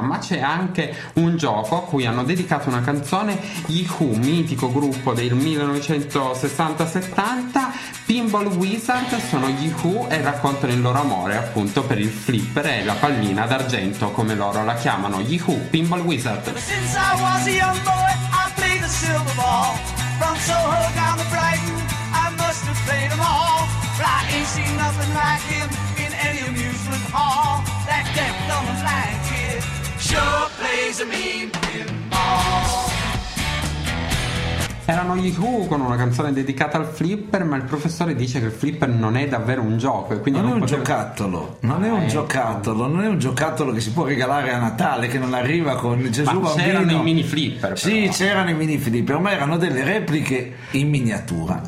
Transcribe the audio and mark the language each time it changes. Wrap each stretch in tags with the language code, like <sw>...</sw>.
<it>Ma c'è anche un gioco a cui hanno dedicato una canzone, i Who, mitico gruppo del 1960-70, Pinball Wizard, sono gli Who e raccontano il loro amore appunto per il flipper e la pallina d'argento, come loro la chiamano, gli Who, Pinball Wizard.</it> <en>Ever since I was a young boy, I played the silver ball. From Soho down to Brighton, I must have played them all. But I ain't seen nothing like him in any amusement hall. That deaf dumb and blind kid sure plays a mean pinball.</en> <it>Erano gli Who con una canzone dedicata al flipper, ma il professore dice che il flipper non è davvero un gioco. E quindi non è un giocattolo, non è un giocattolo, non è un giocattolo che si può regalare a Natale, che non arriva con Gesù Bambino. c'erano i mini flipper. Sì, c'erano i mini flipper, ma erano delle repliche in miniatura.</it>